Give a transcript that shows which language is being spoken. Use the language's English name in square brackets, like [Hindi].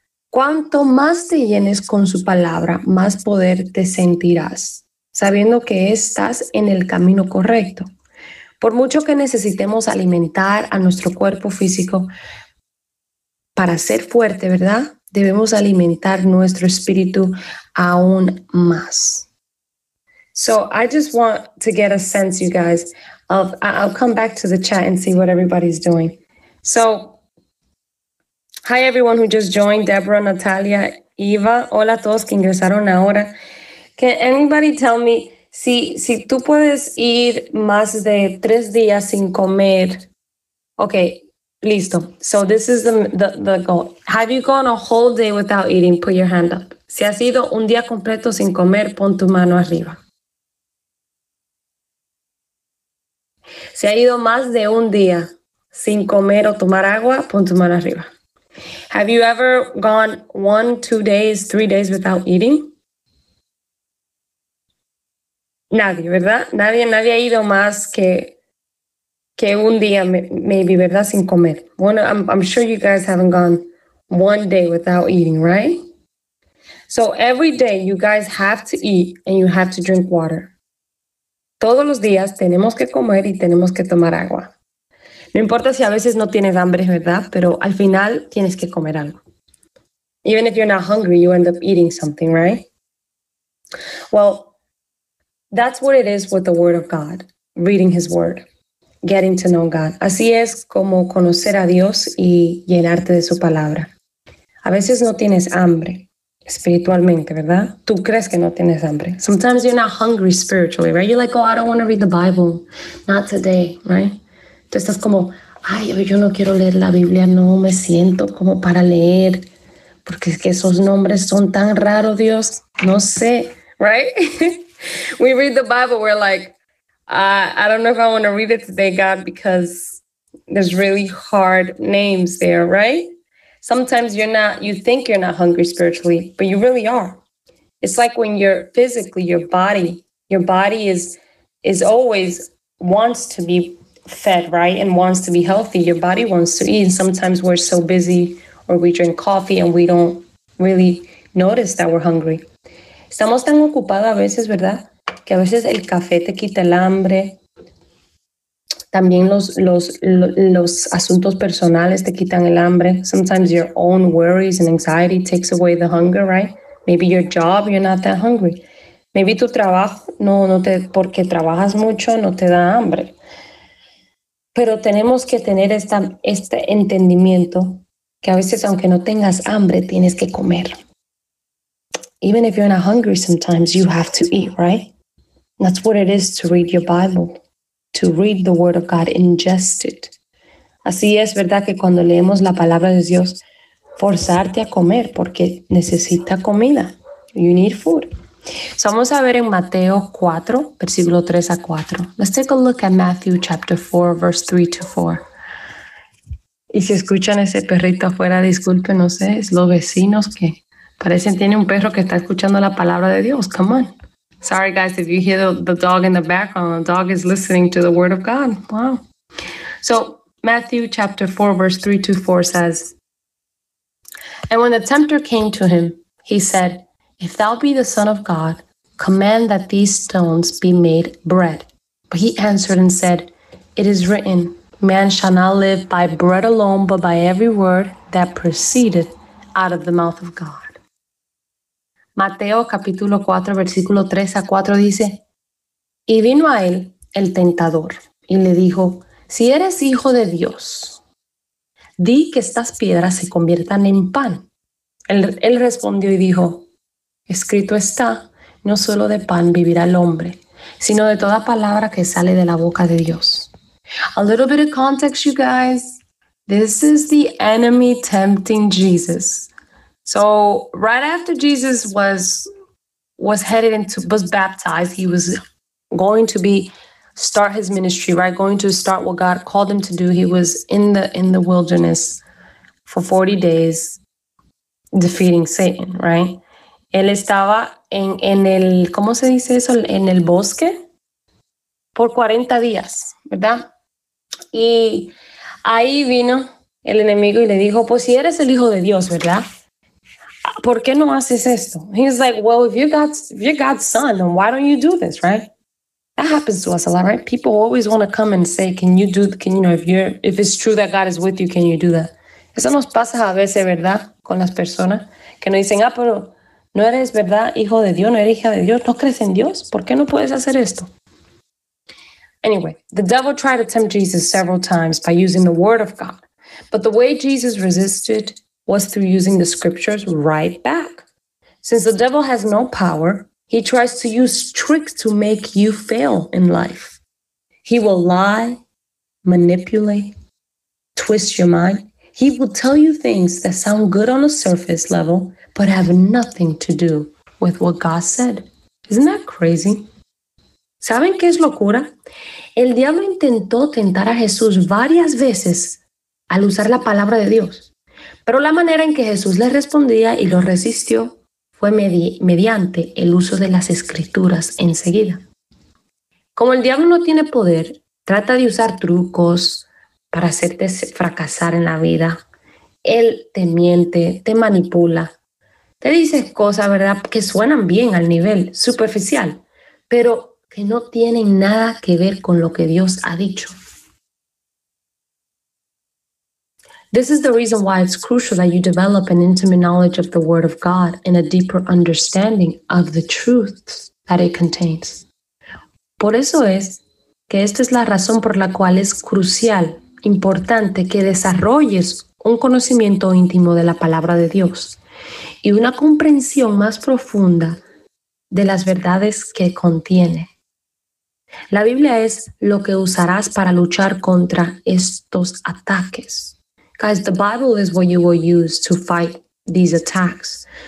[Spanish] Cuanto más te llenes con su palabra, más poder te sentirás, sabiendo que estás en el camino correcto. Por mucho que necesitemos alimentar a nuestro cuerpo físico para ser fuerte, ¿verdad? Debemos alimentar nuestro espíritu aún más. [English] So I just want to get a sense, you guys, of, I'll come back to the chat and see what everybody's doing. So, hi everyone who just joined, Deborah, Natalia, Eva, [Spanish] hola a todos que ingresaron ahora. [English] Can anybody tell me, [Spanish] si tú puedes ir más de 3 días sin comer, okay, listo. [English] So this is the goal. Have you gone a whole day without eating? Put your hand up. [Spanish] Si has ido un día completo sin comer, pon tu mano arriba. Si ha ido más de un día sin comer o tomar agua, pon tu mano arriba. [English] Have you ever gone 1, 2 days, 3 days without eating? [Spanish] Nadie, ¿verdad? Nadie ha ido más que un día, maybe, ¿verdad? Sin comer. [English] Bueno, I'm sure you guys haven't gone 1 day without eating, right? So every day you guys have to eat and you have to drink water. [Spanish] Todos los días tenemos que comer y tenemos que tomar agua. No importa si a veces no tienes hambre, ¿verdad? Pero al final tienes que comer algo. [English] Even if you're not hungry, you end up eating something, right? Well, that's what it is with the Word of God, reading His Word, getting to know God. [Spanish] Así es como conocer a Dios y llenarte de su palabra. A veces no tienes hambre espiritualmente, ¿verdad? Tú crees que no tienes hambre. [English] Sometimes you're not hungry spiritually, right? You're like, oh, I don't want to read the Bible. Not today, right? [Spanish] Tú estás como, ay, yo no quiero leer la Biblia, no me siento como para leer, porque es que esos nombres son tan raros, Dios, no sé, right? [English] We read the Bible, we're like, I don't know if I want to read it today, God, because there's really hard names there, right? Sometimes you think you're not hungry spiritually, but you really are. It's like when you're physically, your body is always wants to be fed, right? And wants to be healthy. Your body wants to eat. And sometimes we're so busy or we drink coffee and we don't really notice that we're hungry. [Spanish] Estamos tan ocupados a veces, ¿verdad? Que a veces el café te quita el hambre. También los asuntos personales te quitan el hambre. [English] Sometimes your own worries and anxiety takes away the hunger, right? Maybe your job, you're not that hungry. [Spanish] Maybe tu trabajo, no, porque trabajas mucho, no te da hambre. Pero tenemos que tener este entendimiento que a veces aunque no tengas hambre, tienes que comer. [English] Even if you're not hungry, sometimes you have to eat, right? That's what it is to read your Bible, to read the Word of God, ingest it. [Spanish] Así es, ¿verdad? Que cuando leemos la palabra de Dios, forzarte a comer porque necesita comida. [English] You need food. [Spanish] So vamos a ver en Mateo 4, versículo 3 a 4. [English] Let's take a look at Matthew chapter 4, verse 3 to 4. [Spanish] Y si escuchan ese perrito afuera, disculpen, no sé, es los vecinos que parecen tiene un perro que está escuchando la palabra de Dios. [English] Come on. Sorry, guys, if you hear the dog in the background, the dog is listening to the word of God. Wow. So Matthew chapter 4, verse 3 to 4 says, "And when the tempter came to him, he said, 'If thou be the Son of God, command that these stones be made bread.' But he answered and said, 'It is written, man shall not live by bread alone, but by every word that proceedeth out of the mouth of God.'" [Spanish] Mateo capítulo 4, versículo 3 a 4 dice, "Y vino a él el tentador y le dijo, si eres hijo de Dios, di que estas piedras se conviertan en pan. Él respondió y dijo, escrito está, no solo de pan vivirá el hombre, sino de toda palabra que sale de la boca de Dios." [English] A little bit of context, you guys. This is the enemy tempting Jesus. So right after Jesus was baptized, he was going to start his ministry, right? Going to start what God called him to do. He was in the wilderness for 40 days, defeating Satan, right? [Spanish] Él estaba en el, ¿cómo se dice eso? En el bosque por 40 días, ¿verdad? Y ahí vino el enemigo y le dijo, pues si eres el hijo de Dios, ¿verdad? ¿Por qué no haces esto? [English] He's like, well, if you're God's son, then why don't you do this, right? That happens to us a lot, right? People always want to come and say, if it's true that God is with you, can you do that? [Spanish] Eso nos pasa a veces, ¿verdad? Con las personas que nos dicen, ah, pero no eres, ¿verdad? Hijo de Dios, no eres hija de Dios, no crees en Dios. ¿Por qué no puedes hacer esto? [English] Anyway, the devil tried to tempt Jesus several times by using the word of God. But the way Jesus resisted was through using the scriptures right back. Since the devil has no power, he tries to use tricks to make you fail in life. He will lie, manipulate, twist your mind. He will tell you things that sound good on a surface level, but have nothing to do with what God said. Isn't that crazy? [Spanish] ¿Saben qué es locura? El diablo intentó tentar a Jesús varias veces al usar la palabra de Dios. Pero la manera en que Jesús le respondía y lo resistió fue mediante el uso de las escrituras enseguida. Como el diablo no tiene poder, trata de usar trucos para hacerte fracasar en la vida. Él te miente, te manipula, te dice cosas, ¿verdad?, que suenan bien al nivel superficial, pero que no tienen nada que ver con lo que Dios ha dicho. [English] This is the reason why it's crucial that you develop an intimate knowledge of the Word of God and a deeper understanding of the truths that it contains. [Spanish] Por eso es que esta es la razón por la cual es crucial, importante que desarrolles un conocimiento íntimo de la palabra de Dios y una comprensión más profunda de las verdades que contiene. La Biblia es lo que usarás para luchar contra estos ataques. [English] Guys, the Bible is what you will use to fight these attacks.